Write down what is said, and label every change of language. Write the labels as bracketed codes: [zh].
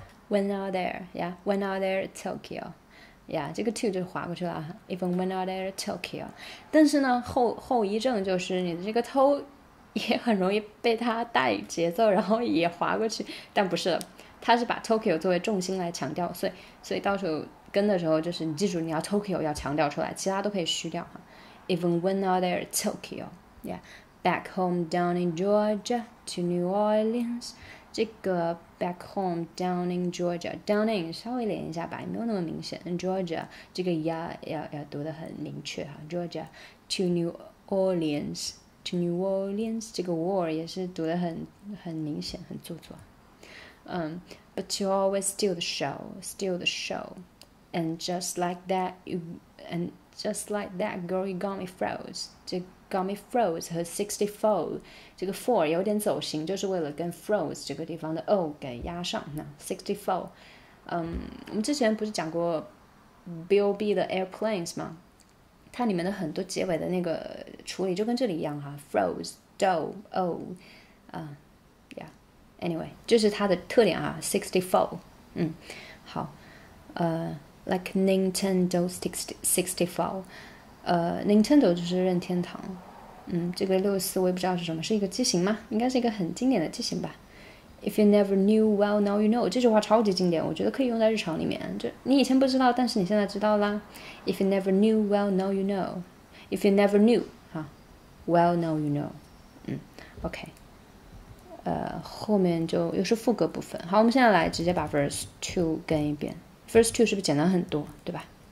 [en] Went out there， yeah， went out there to Tokyo， yeah， [zh] 这个 to 就划过去了。 [en] Even went out there to Tokyo， [zh] 但是呢，后遗症就是你的这个偷。也很容易被他带节奏然后也滑过去，但不是，他是把 Tokyo 作为重心来强调，所以到时候跟的时候就是你记住你要 Tokyo 要强调出来，其他都可以虚掉。 [en] Even went out there Tokyo、yeah. Back home down in Georgia to New Orleans， 这个 back home down in Georgia， down in [zh] 稍微连一下吧，没有那么明显， [en] Georgia 这个 [zh] 要读得很明确哈， [en] Georgia to New OrleansTo New Orleans， 这个 war [zh] 也是读得很明显，很做作。 [en] But you always steal the show， and just like that, girl, you got me froze。 [zh] 这 [en] got me froze [zh] 和 64， 这个 four 有点走形，就是为了跟 froze 这个地方的 o 给压上。那 64， 我们之前不是讲过 B.O.B 的 airplanes 吗？它里面的很多结尾的那个处理就跟这里一样哈 ， [en] froze, dough, oh, yeah, anyway， [zh] 就是它的特点啊 ，64， 好， [en] like Nintendo 64， [zh] Nintendo 就是任天堂，这个64我也不知道是什么，是一个机型吗？应该是一个很经典的机型吧。 [en] If you never knew, well, now you know. [zh] 这句话超级经典，我觉得可以用在日常里面。就你以前不知道，但是你现在知道啦。 [en] If you never knew, well, now you know. If you never knew, well, now you know. [zh] OK. 后面就又是副歌部分。好，我们现在来直接把 verse 2跟一遍。Verse 2是不是简单很多，对吧？